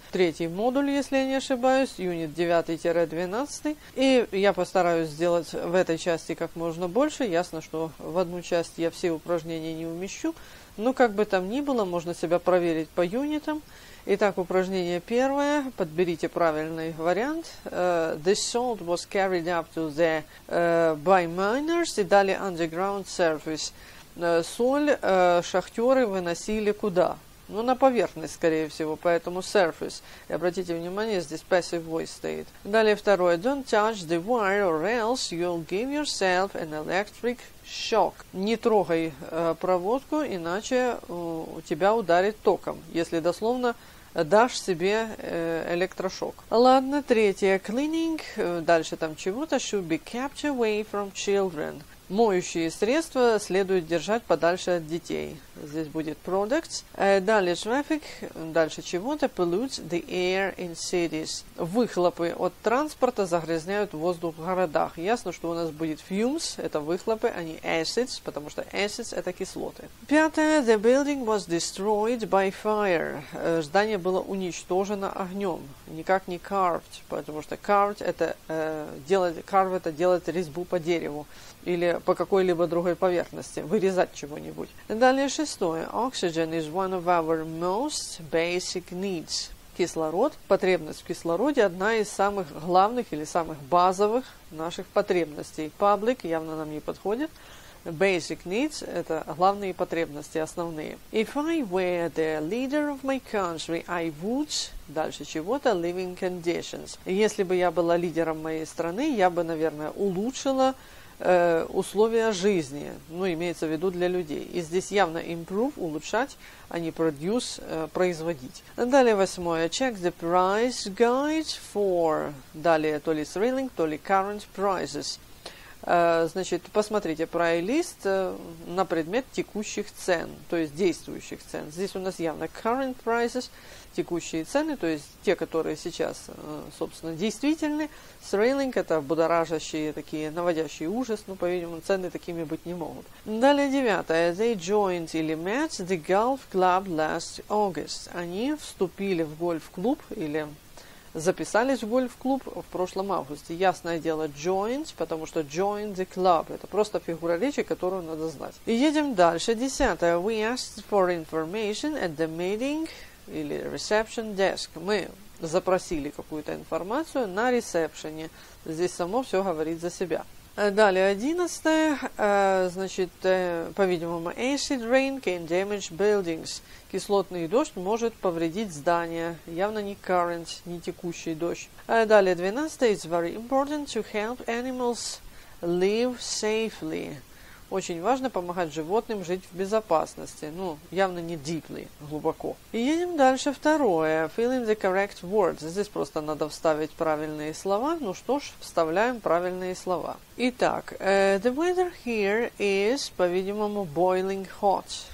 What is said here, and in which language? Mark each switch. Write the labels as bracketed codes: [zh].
[ru] Третий модуль, если я не ошибаюсь. Юнит 9-12. И я постараюсь сделать в этой части как можно больше. Ясно, что в одну часть я все упражнения не умещу. Но как бы там ни было, можно себя проверить по юнитам. Итак, упражнение первое. Подберите правильный вариант. [en] The salt was carried up to the by miners [ru] и далее [en] underground surface. [ru] Соль шахтеры выносили куда? Ну, на поверхность, скорее всего, поэтому surface. И обратите внимание, здесь passive voice стоит. Далее второе. [en] Don't touch the wire or else you'll give yourself an electric shock. [ru] Не трогай проводку, иначе у тебя ударит током, если дословно дашь себе электрошок. [en] Ладно, третье. Cleaning, [ru] дальше там чего-то, [en] should be kept away from children. [ru] Моющие средства следует держать подальше от детей. Здесь будет [en] products. Далее traffic, [ru] дальше чего-то, [en] pollutes the air in cities. [ru] Выхлопы от транспорта загрязняют воздух в городах. Ясно, что у нас будет fumes, это выхлопы, а не acids, потому что acids это кислоты. Пятое. [en] The building was destroyed by fire. [ru] Здание было уничтожено огнем. Никак не carved, потому что carved это делать резьбу по дереву. Или по какой-либо другой поверхности, вырезать чего-нибудь. Далее шестое. [en] Oxygen is one of our most basic needs. [ru] Кислород, потребность в кислороде, одна из самых главных или самых базовых наших потребностей. Public явно нам не подходит. Basic needs – это главные потребности, основные. [en] If I were the leader of my country, I would... [ru] Дальше чего-то. [en] Living conditions. [ru] Если бы я была лидером моей страны, я бы, наверное, улучшила... условия жизни, ну, имеется в виду для людей. И здесь явно improve, улучшать, а не produce, производить. Далее восьмое. [en] Check the price guide for... [ru] Далее то ли [en] thrilling, то ли current prices. [ru] Значит, посмотрите прайлист на предмет текущих цен, то есть действующих цен. Здесь у нас явно current prices, текущие цены, то есть те, которые сейчас, собственно, действительны. Thrilling – это будоражащие такие, наводящие ужас, но, по-видимому, цены такими быть не могут. Далее девятое. [en] They joined или met the golf club last August. [ru] Они вступили в гольф-клуб или... записались в гольф-клуб в прошлом августе. Ясное дело, joined, потому что joined the club. Это просто фигура речи, которую надо знать. И едем дальше. Десятое. [en] We asked for information at the meeting или reception desk. [ru] Мы запросили какую-то информацию на ресепшене. Здесь само все говорит за себя. Далее, одиннадцатое. Значит, по-видимому, [en] acid rain can damage buildings. [ru] Кислотный дождь может повредить здание. Явно не current, не текущий дождь. Далее, двенадцатое. [en] It's very important to help animals live safely. [ru] Очень важно помогать животным жить в безопасности. Ну, явно не deeply, глубоко. И едем дальше. Второе. [en] Fill in the correct words. [ru] Здесь просто надо вставить правильные слова. Ну что ж, вставляем правильные слова. [en] Итак, the weather here is, [ru] по-видимому, [en] boiling hot.